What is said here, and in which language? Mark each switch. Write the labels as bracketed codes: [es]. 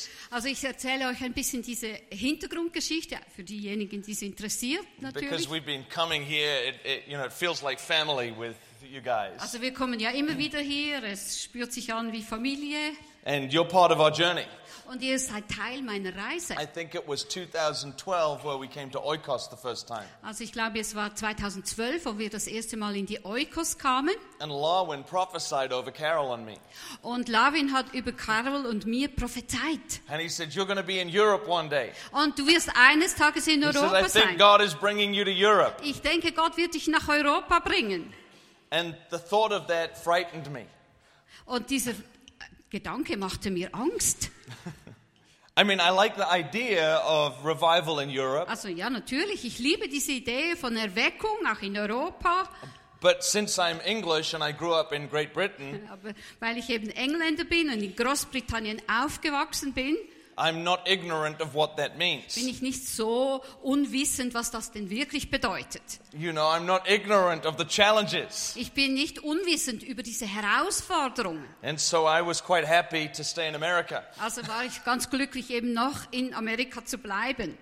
[de] Also ich erzähle euch ein bisschen diese Hintergrundgeschichte für diejenigen, die es interessiert, natürlich. [en] Because we've been coming here, it feels like family with you guys. [de] Also wir kommen ja immer wieder hier, es spürt sich an wie Familie. [en] And you're part of our journey. [de] Und ihr seid Teil meiner Reise. [en] I think it was 2012 where we came to Oikos the first time. [de] Also ich glaube, es war 2012, wo wir das erste Mal in die Oikos kamen. [en] And Lawin prophesied over Carol and me. [de] Und Lawin hat über Carol und mir prophezeit. [en] And he said, you're going to be in Europe one day. [de] Und du wirst eines Tages in Europa [en] He said, I think God is bringing you to Europe. [de] Ich denke, Gott wird dich nach Europa bringen. [en] And the thought of that frightened me. [de] Und dieser Gedanke machte mir Angst. [en] I mean, I like the idea of revival in Europe. [de] Also ja, natürlich, ich liebe diese Idee von Erweckung auch in Europa. [en] But since I'm English and I grew up in Great Britain, [de] aber weil ich eben Engländer bin und in Großbritannien aufgewachsen bin, [en] I'm not ignorant of what that means. [de] Bin ich nicht so unwissend, was das denn wirklich bedeutet. [en] You know, I'm not ignorant of the challenges. [de] Ich bin nicht unwissend über diese Herausforderungen. [en] And so I was quite happy to stay in America. [de] Also war ich ganz glücklich, eben noch in Amerika zu bleiben.